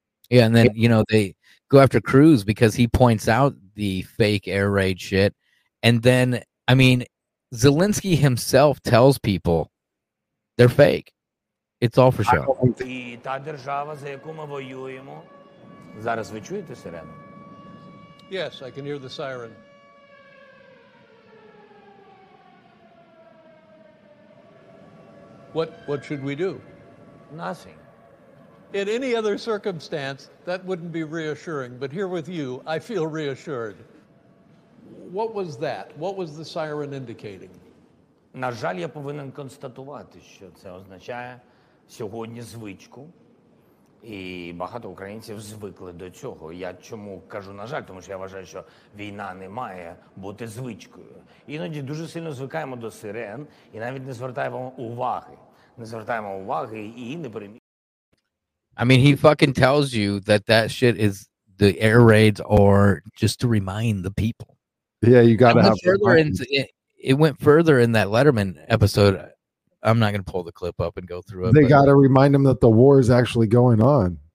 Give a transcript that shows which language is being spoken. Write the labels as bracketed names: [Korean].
[English] Yeah, and then, you know, they go after Cruz because he points out the fake air raid shit. And then, I mean, Zelensky himself tells people they're fake. It's all for show. [Ukrainian] І та держава, за яку ми воюємо, зараз ви чуєте сирену? [English] Yes, I can hear the siren. What should we do? Nothing. In any other circumstance, that wouldn't be reassuring. But here with you, I feel reassured. What was that? What was the siren indicating? [Ukrainian] На жаль, я повинен констатувати, що це означає сьогодні звичку. І багато українців звикли до цього. Я чому кажу на жаль? Тому що я вважаю, що війна не має бути звичкою. Іноді дуже сильно звикаємо до сирен і навіть не звертаємо уваги. Не звертаємо уваги і не перемі. [English] I mean, he fucking tells you that shit is the air raids or just to remind the people. Yeah, you gotta have further. It went further in that Letterman episode. I'm not gonna pull the clip up and go through it. They gotta remind them that the war is actually going on.